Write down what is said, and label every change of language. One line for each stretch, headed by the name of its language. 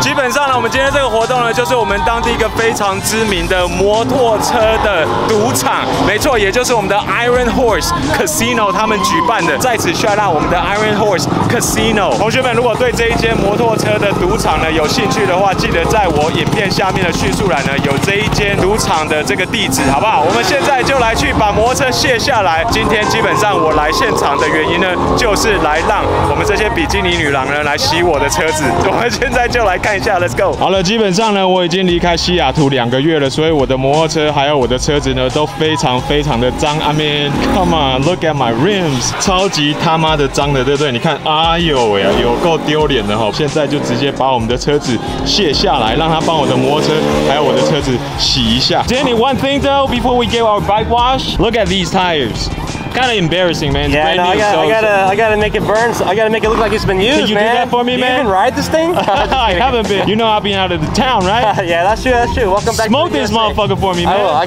Chinese: 基本上呢，我们今天这个活动呢，就是我们当地一个非常知名的摩托车的赌场。没错，也就是我们的 Iron Horse Casino 他们举办的。在此 shout out 我们的 Iron Horse Casino。同学们，如果对这一间摩托车的赌场呢有兴趣的话，记得在我影片下面的叙述栏呢有这一间赌场的这个地址，好不好？我们现在就来去把摩托车卸下来。今天基本上我来现场的原因呢，就是来让我们这些比基尼女郎呢来洗我的车子。我们现在就来看一下 ，
English: Let's go。
Chinese: 好了，基本上呢我已经离开西雅图2个月了，所以我的摩托车还有我的车子呢都非常非常的脏。
English: I mean, come on, look at my rims，
Chinese: 超级他妈的脏的，对不对？你看，哎呦喂，有够丢脸的哈！现在就直接把我们的车子卸下来，让他帮我的摩托车还有我的车子洗一下。
English: Danny, one thing though, before we get our bike wash, look at these tires. Kind of embarrassing, man. Yeah, no, I gotta make it burn. So I gotta make it look like it's been used, man. Can you do that for me, you man? You even ride this thing? I haven't been. You know I've been out of the town, right? Yeah, that's true. Welcome back. Smoke this motherfucker for me, man.